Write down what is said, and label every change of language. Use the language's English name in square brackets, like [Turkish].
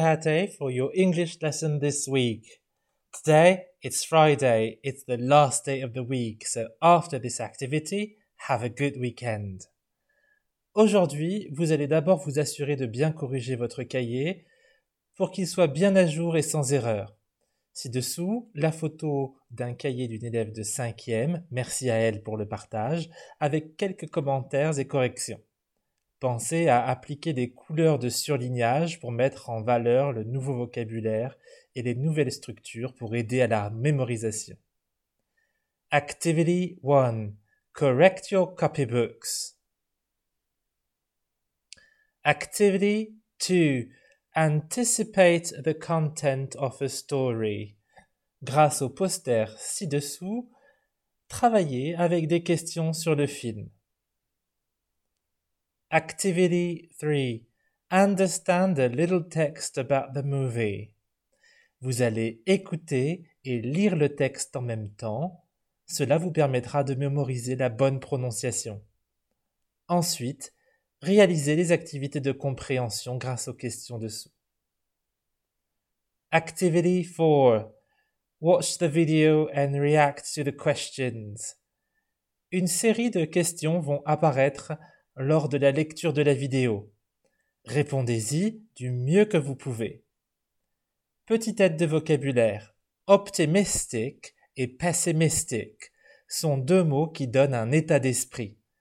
[English] Hate for your English lesson this week. Today, it's Friday, it's the last day of the week, so after this activity, have a good weekend. [French] Aujourd'hui, vous allez d'abord vous assurer de bien corriger votre cahier pour qu'il soit bien à jour et sans erreur. Ci-dessous, la photo d'un cahier d'une élève de 5e, merci à elle pour le partage, avec quelques commentaires et corrections. Pensez à appliquer des couleurs de surlignage pour mettre en valeur le nouveau vocabulaire et les nouvelles structures pour aider à la mémorisation. [English] Activity 1. Correct your copybooks. Activity 2. Anticipate the content of a story. [French] Grâce au poster ci-dessous, travaillez avec des questions sur le film. [English] Activity 3. Understand a little text about the movie. [French] Vous allez écouter et lire le texte en même temps. Cela vous permettra de mémoriser la bonne prononciation. Ensuite, réalisez les activités de compréhension grâce aux questions dessous. [English] Activity 4. Watch the video and react to the questions. [French] Une série de questions vont apparaître lors de la lecture de la vidéo. Répondez-y du mieux que vous pouvez. Petite aide de vocabulaire. Optimistic et pessimistic sont deux mots qui donnent un état d'esprit.